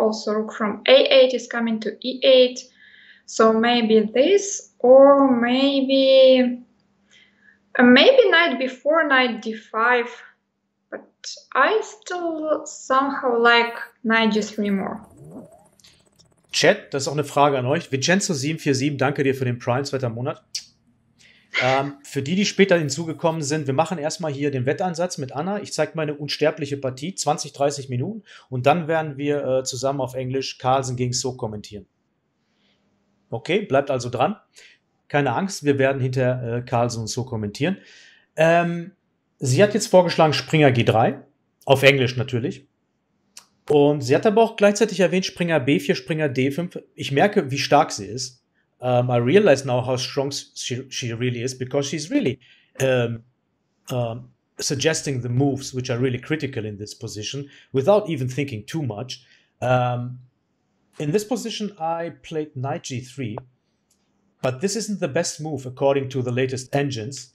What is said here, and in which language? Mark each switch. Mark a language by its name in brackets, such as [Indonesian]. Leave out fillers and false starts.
[English] Also, rook from a8 is coming to e8. So maybe this, or maybe knight before knight d5, but I still somehow like knight g3 more. [German] Chat, das ist auch eine Frage an euch. Vincenzo747, danke dir für den Prime zweiter Monat. Für die, die später hinzugekommen sind, wir machen erstmal hier den Wetteinsatz mit Anna. Ich zeige meine unsterbliche Partie, 20, 30 Minuten, und dann werden wir zusammen auf Englisch Carlsen gegen Sog kommentieren. Okay, bleibt also dran. Keine Angst, wir werden hinter Carlsen und so kommentieren. Sie hat jetzt vorgeschlagen Springer G3, auf Englisch natürlich. Und sie hat aber auch gleichzeitig erwähnt Springer B4, Springer D5. Ich merke, wie stark sie ist. [English] I realize now how strong she really is, because she's really suggesting the moves, which are really critical in this position, without even thinking too much. In this position, I played knight g3, but this isn't the best move according to the latest engines.